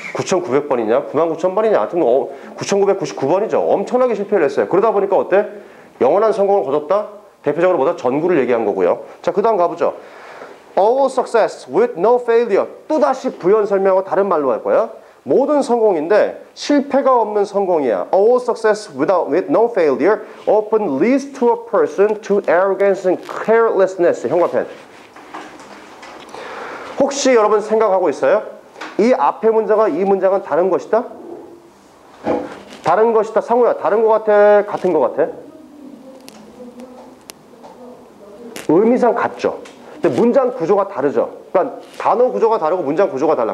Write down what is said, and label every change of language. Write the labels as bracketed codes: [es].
[ko] 9,900번이냐 99,000번이냐 하여튼 9,999번이죠. 엄청나게 실패를 했어요. 그러다 보니까 어때? 영원한 성공을 거뒀다? 대표적으로 뭐다? 전구를 얘기한 거고요. 자 그 다음 가보죠. [en] All success with no failure. [ko] 또다시 부연 설명하고 다른 말로 할 거예요. 모든 성공인데 실패가 없는 성공이야. [en] All success with no failure often leads to a person to arrogance and carelessness. [ko] 형광펜. 혹시 여러분 생각하고 있어요? 이 앞에 문장과 이 문장은 다른 것이다? 다른 것이다. 상우야, 다른 것 같아? 같은 것 같아? 의미상 같죠. 근데 문장 구조가 다르죠. 그러니까 단어 구조가 다르고 문장 구조가 달라.